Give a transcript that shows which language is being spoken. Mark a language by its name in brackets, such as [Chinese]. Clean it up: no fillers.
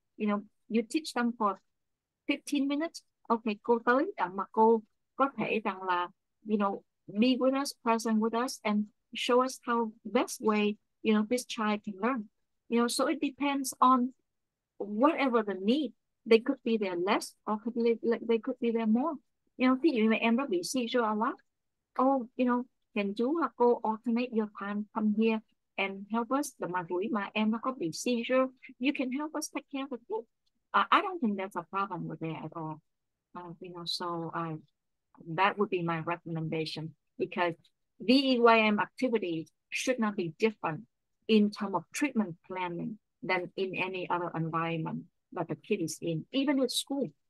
[English] You know, you teach them for 15 minutes. Okay, [Vietnamese] cô tới, mà cô có thể rằng là, [English] you know, be with us, present with us, and show us how best way, you know, this child can learn. You know, so it depends on whatever the need. They could be there less, or could they could be there more. [Vietnamese] You know, thí dụ như em đã bị [English] seizure a lot. Oh, you know, can [Vietnamese] chú hoặc cô [English] alternate your time from here and help us? The majority [Vietnamese] mà em đã có bị [English] seizure, you can help us take care of the kid. I don't think that's a problem with that at all. That would be my recommendation, because VEYM activities should not be different in terms of treatment planning than in any other environment that the kid is in, even with school.